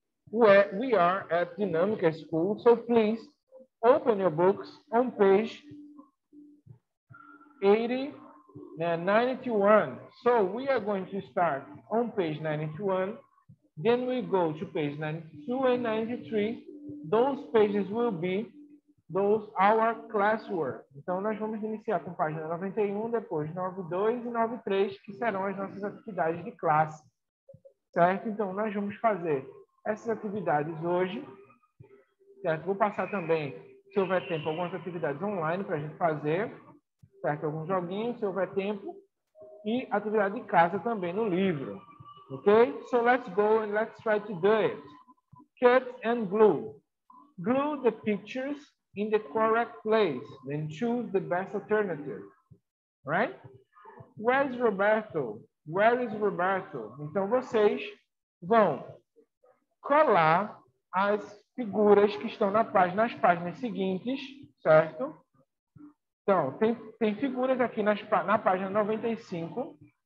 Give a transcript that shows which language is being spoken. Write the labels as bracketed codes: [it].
[en] Where we are at Dinamica School, so please open your books on page 91. So we are going to start on page 91, then we go to page 92 and 93. Those pages will be those our classwork. [pt] Então nós vamos iniciar com página 91, depois 92 e 93, que serão as nossas atividades de classe. Certo? Então nós vamos fazer essas atividades hoje, certo? Vou passar também, se houver tempo, algumas atividades online para a gente fazer, certo? Alguns joguinhos, se houver tempo, e atividade de casa também no livro, ok? [en] So let's go and let's try to do it. Cut and glue. Glue the pictures in the correct place, then choose the best alternative, right? Where's Roberto? Where is Roberto? [pt] Então vocês vão colar as figuras que estão na página, nas páginas seguintes, certo? Então, tem figuras aqui na página 95.